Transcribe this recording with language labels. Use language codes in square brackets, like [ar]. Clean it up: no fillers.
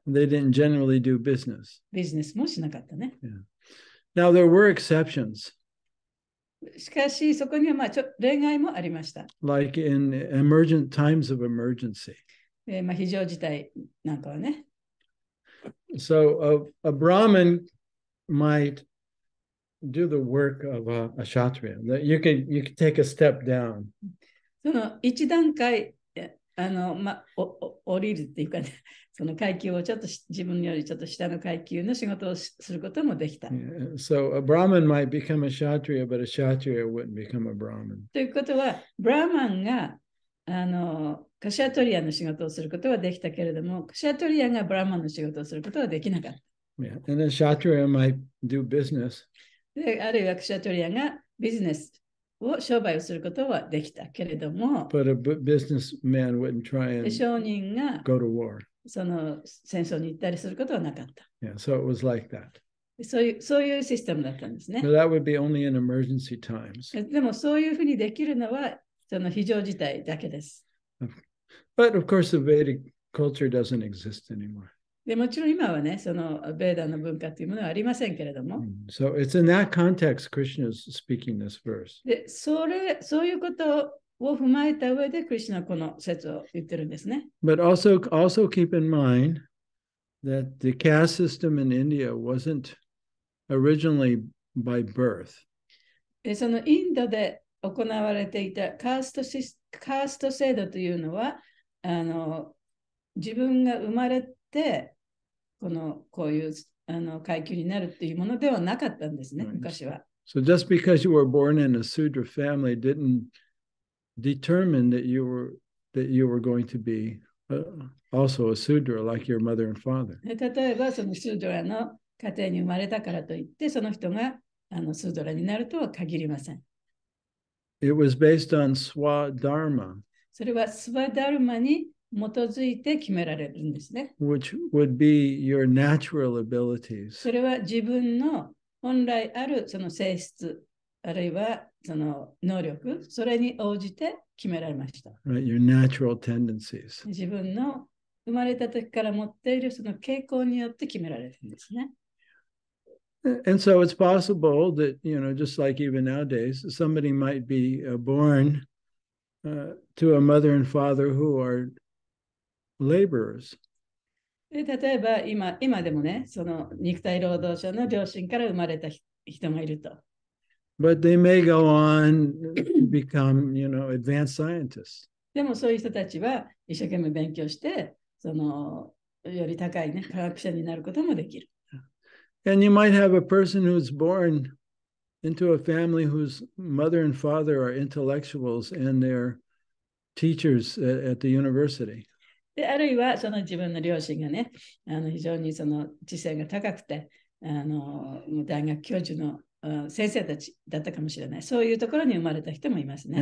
[en] they didn't generally do business. [ja] ビジネスもしなかったね。 [en] Yeah. Now, there were exceptions. [ja] しかし、そこにはまあちょ例外もありました。 [en] Like in emergent times of emergency. [ja] まあ非常事態なんかはね。 [en] So, a Brahmin might do the work of a Kshatriya. You can take a step down. [ja] その一段階あの、ま、降りるっていうか、ね、その階級をちょっと自分よりちょっと下の階級の仕事をすることもできた。 [en] Yeah. So, a Brahmin might become a Kshatriya, but a Kshatriya wouldn't become a Brahmin. [ja] ということは、Brahmin があのカシャトリアの仕事をすることはできたけれども、カシャトリアがブラーマンの仕事をすることはできなかった。 [en] Yeah. And then Kshatriya might do business. [ja] で、あるいはカシャトリアがビジネスを商売をすることはできたけれども、 [en] But a businessman wouldn't try and [ja] 商人が [en] go to war. [ja] その戦争に行ったりすることはなかった。 [en] Yeah. So it was like that. [ja] そういうシステムだったんですね。 [en] But that would be only in emergency times. [ja] でもそういうふうにできるのはその非常事態だけです。 [en] But of course, the Vedic culture doesn't exist anymore. [ja] でもちろん今はね、そのベーダの文化というものはありませんけれども。 [en] So it's in that context Krishna is speaking this verse. [ja] で、そういうことを踏まえた上で、クリシュナはこの説を言ってるんですね。 [en] But also keep in mind that the caste system in India wasn't originally by birth. [ja] で、そのインドで行われていたカースト制度というのはあの自分が生まれてこういうあの階級になるというものではなかったんですね、right. 昔は。 [en] So just because you were born in a Sudra family didn't determine that you were going to be also a Sudra like your mother and father. [ja] 例えばそのスードラの家庭に生まれたからといってその人があのスードラになるとは限りません。 [en] It was based on Swadharma. [ja] それはスワダルマに基づいて決められるんですね。 [en] Which would be your natural abilities. [ja] それは自分の本来あるその性質あるいはその能力それに応じて決められました。 [en] Right, your natural tendencies. [ja] 自分の生まれた時から持っているその傾向によって決められるんですね。 [en] And so it's possible that, you know, just like even nowadays, somebody might be born to a mother and father who are laborers. [ja] 例えば今でもね、その肉体労働者の両親から生まれた人がいると。 [en] But they may go on to become, you know, advanced scientists. [ja] でもそういう人たちは一生懸命勉強して、そのより高いね、科学者になることもできる。 [en] And you might have a person who's born into a family whose mother and father are intellectuals and they're teachers at the university. [ja] で、あるいはその自分の両親がね、あの非常にその知性が高くて、あの大学教授の先生たちだったかもしれない。そういうところに生まれた人もいますね。